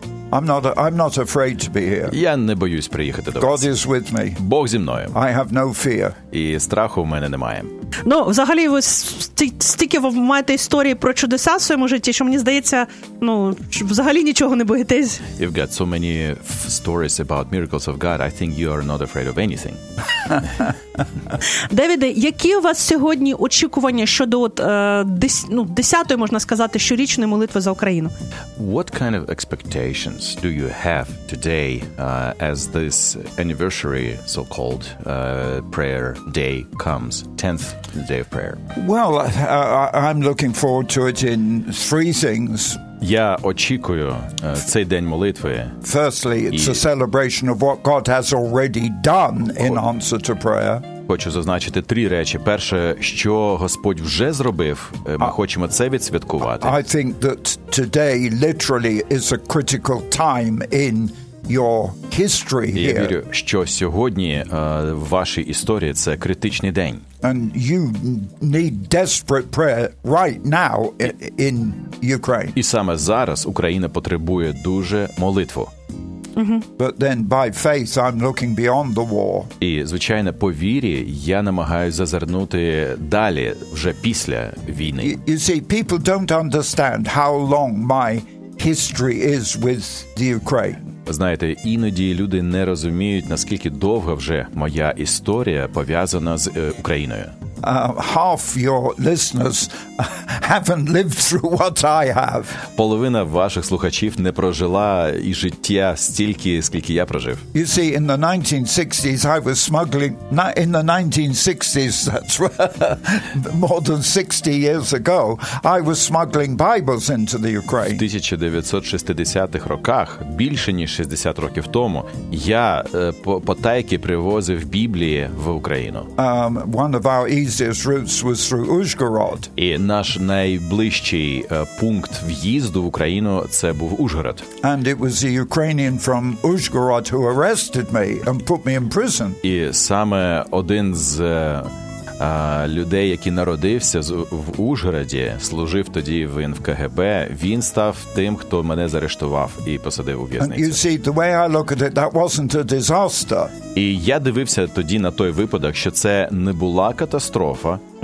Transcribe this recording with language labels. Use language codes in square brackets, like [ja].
[en] I'm not afraid to be here. [uk] Я не боюсь приїхати до вас. [en] God is with me. [uk] Бог зі мною. [en] I have no fear. [uk] І страху в мене немає. Ну, взагалі, ви стільки маєте історії про чудеса в своєму житті, що мені здається, ну, взагалі нічого не боїтесь. [en] You've got so many stories about miracles of God, I think you are not afraid of anything. [uk] Девіде, які у вас сьогодні очікування щодо десятої, можна сказати, щорічної молитви за Україну? [en] What kind of expectations do you have today as this anniversary, so-called prayer day comes, 10th day of prayer? Well, I'm looking forward to it in three things. [uk] Я очікую цей день молитви. [en] Firstly, it's a celebration of what God has already done in answer to prayer. [uk] Хочу зазначити три речі. Перше, що Господь вже зробив, ми хочемо це відсвяткувати. [en] I think that today literally is a critical time in your history here. [uk] Я вірю, що сьогодні в вашій історії це критичний день. [en] And you need desperate prayer right now in Ukraine. [uk] І саме зараз Україна потребує дуже молитву. [en] But then by faith I'm looking beyond the war. [uk] І звичайно, по вірі я намагаюся зазирнути далі, вже після війни. [en] You see, people don't understand how long my history is with the Ukraine. [uk] Знаєте, іноді люди не розуміють, наскільки довго вже моя історія пов'язана з Україною. [en] Half your listeners haven't lived through what I have. [uk] Половина ваших слухачів не прожила і життя стільки, скільки я прожив. [en] You see, in the 1960s I was smuggling in the 1960s, that's more than 60 years ago, I was smuggling Bibles into the Ukraine. [uk] В 1960-х роках, більше ніж 60 років тому, я потайки привозив Біблії в Україну. [en] One of our easiest routes was through Ужгород. [uk] І наш найближчий пункт в'їзду в Україну це був Ужгород. [en] And it was the Ukrainian from Ужгород who arrested me and put me in prison. [uk] І саме один з людей, який народився в Ужгороді, служив тоді в НКГБ, він став тим, хто мене заарештував і посадив у в'язницю. І я дивився тоді на той випадок, що це не була катастрофа.